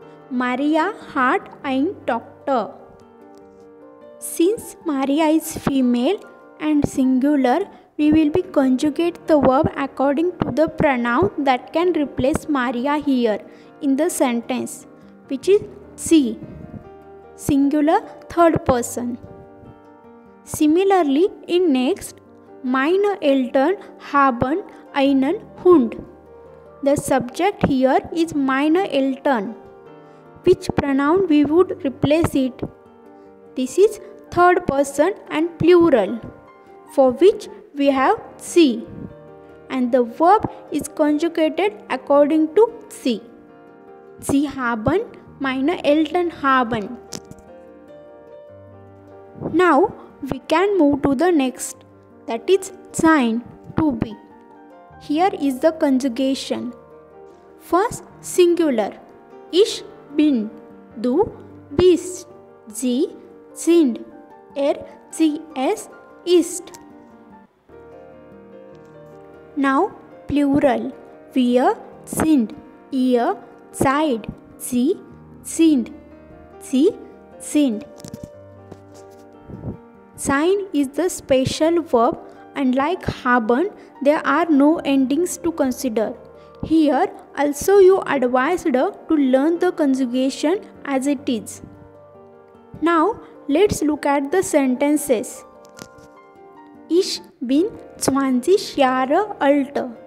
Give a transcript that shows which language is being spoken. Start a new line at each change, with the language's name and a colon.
German: Maria hat ein Doktor.
English: Since Maria is female and singular, we will be conjugate the verb according to the pronoun that can replace Maria here in the sentence, which is sie, singular third person. Similarly, in next,
German: meine Eltern haben einen Hund.
English: The subject here is meine Eltern. Which pronoun we would replace it? This is third person and plural, for which we have sie, and the verb is conjugated according to sie.
German: Sie haben, meine Eltern haben.
English: Now we can move to the next, that is sein, to be. Here is the conjugation. First, singular.
German: Ich bin, du bist, sie sind, sie es ist.
English: Now plural,
German: wir sind, ihr seid, sie sind, sie sind.
English: Sein is the special verb. Unlike haben, there are no endings to consider. Here also you advised to learn the conjugation as it is. Now let's look at the sentences.
German: Ich bin 20 Jahre alt.